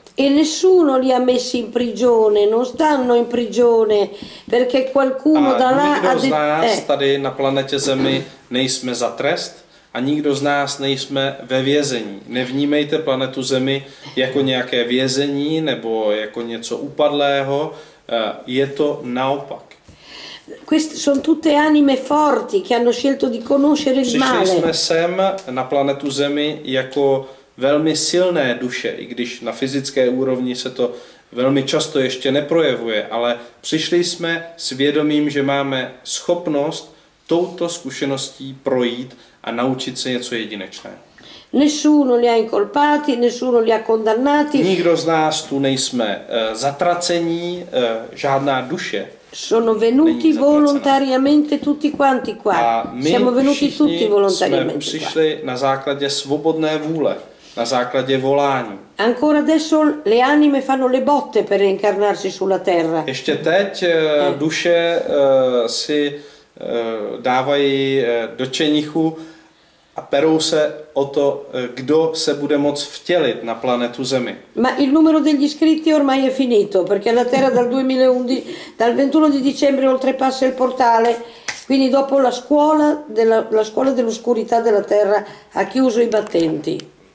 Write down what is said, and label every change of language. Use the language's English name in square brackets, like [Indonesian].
[Italian] E nessuno li ha messi in prigione, non stanno in prigione, perché qualcuno da là ha detto. [Czech] A nikdo z nás tady na planetě Zemi nejsme za trest. A nikdo z nás nejsme ve vězení. Nevnímejte planetu Zemi jako nějaké vězení nebo jako něco upadlého, je to naopak. [Italian] Queste sono tutte anime forti che hanno scelto di conoscere il male. [Czech] Přišli jsme sem na planetu Zemi jako velmi silné duše, i když na fyzické úrovni se to velmi často ještě neprojevuje, ale přišli jsme s vědomím, že máme schopnost touto zkušeností projít a naučit se něco jedinečné. [Italian] Nessuno li ha incolpati, nessuno li ha condannati. [Czech] Nikdo z nás tu nejsme zatracení, žádná duše. [Italian] Sono venuti volontariamente tutti quanti qua. Siamo venuti tutti volontariamente. [Czech] Jsme přišli na základě svobodné vůle, na základě volání. [Italian] Ancora adesso le anime fanno le botte per reincarnarsi sulla terra. [Czech] Ještě teď duše si dávají do čenichu a perou se o to, kdo se bude moct vtělit na planetu Zemi. [Italian] Ma il numero degli iscritti ormai è finito, perché la Terra dal 2011, dal 21 di dicembre oltrepassa il portale, quindi dopo la scuola dell'oscurità della Terra ha chiuso i battenti.